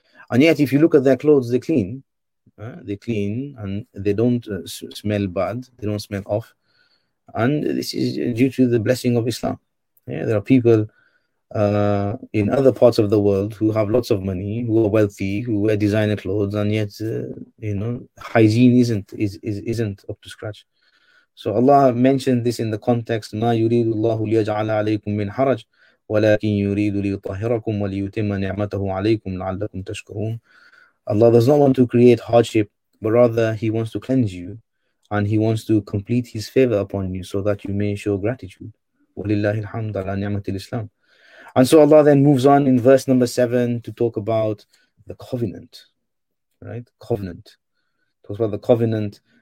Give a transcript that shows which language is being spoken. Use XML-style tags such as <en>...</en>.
<en>And yet, if you look at their clothes, they're clean. They're clean and they don't smell bad. They don't smell off. And this is due to the blessing of Islam. Yeah, there are people in other parts of the world who have lots of money, who are wealthy, who wear designer clothes, and yet, hygiene isn't up to scratch. So Allah mentioned this in the context,</en> <ar>مَا يُرِيدُ اللَّهُ لِيَجْعَلَ عَلَيْكُم مِّنْ حَرَجٍ وَلَكِنْ يُرِيدُ لِيُطَهِرَكُمْ وَلِيُتِمَّ نِعْمَتَهُ عَلَيْكُمْ لَعَلَّكُمْ تَشْكُرُونَ.</ar> <en>Allah does not want to create hardship, but rather He wants to cleanse you, and He wants to complete His favor upon you so that you may show gratitude.</en> <ar>وَلِلَّهِ الْحَمْدُ عَلَى نِعْمَةِ الْإِسْلَامِ.</ar> <en>And so Allah then moves on in verse number 7 to talk about the covenant, right? Covenant. Talks about the covenant.</en>